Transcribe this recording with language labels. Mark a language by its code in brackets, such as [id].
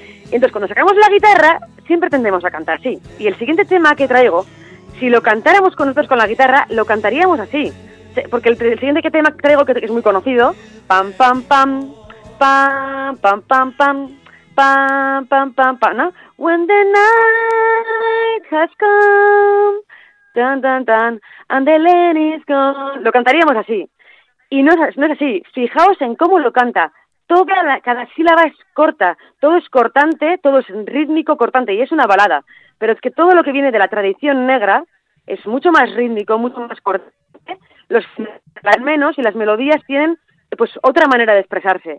[es] Y entonces, cuando sacamos la guitarra, siempre tendemos a cantar así. Y el siguiente tema que traigo, si lo cantáramos con nosotros con la guitarra, lo cantaríamos así. Porque el siguiente tema que traigo, que es muy conocido, pam, pam, pam, pam, pam, pam, pam, pam, pam, pam, pam, ¿no? [en] When the night has come, tan, tan, tan, and the lane is gone. [es] Lo cantaríamos así. Y no es así. Fijaos en cómo lo canta. Cada sílaba es corta, todo es cortante, todo es rítmico, cortante, y es una balada. Pero es que todo lo que viene de la tradición negra es mucho más rítmico, mucho más cortante, los al menos, y las melodías tienen pues otra manera de expresarse.